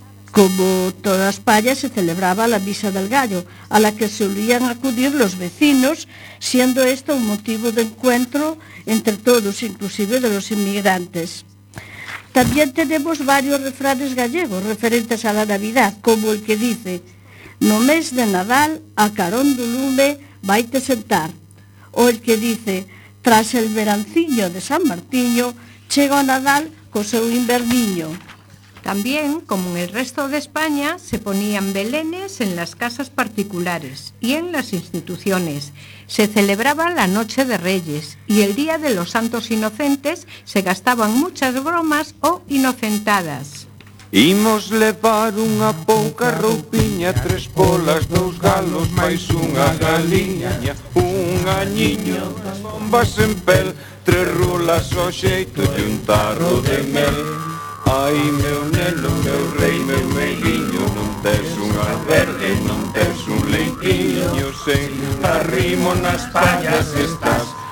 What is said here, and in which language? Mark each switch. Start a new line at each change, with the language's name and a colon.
Spanish: Como toda España se celebraba la Misa del Gallo, a la que solían acudir los vecinos, siendo esto un motivo de encuentro entre todos, inclusive de los inmigrantes. También tenemos varios refranes gallegos referentes a la Navidad, como el que dice:
Galician: no mes de Nadal, a carón do lume, vaite sentar.
Spanish: O el que dice:
Galician: tras el veranciño de San Martiño, chega Nadal co seu inverniño.
Spanish: También, como en el resto de España, se ponían belenes en las casas particulares y en las instituciones. Se celebraba la Noche de Reyes y el Día de los Santos Inocentes se gastaban muchas bromas o inocentadas.
Galician: Imos levar unha pouca roupiña, tres polas, dous galos, máis unha galiña, un añiño, das bombas en pel, tres rulas o xeito e un tarro de mel. Ai, meu nelo, meu rei, meu meiguinho, non tes un alberde, non tes un leitinho, sen arrimo nas pallas estás.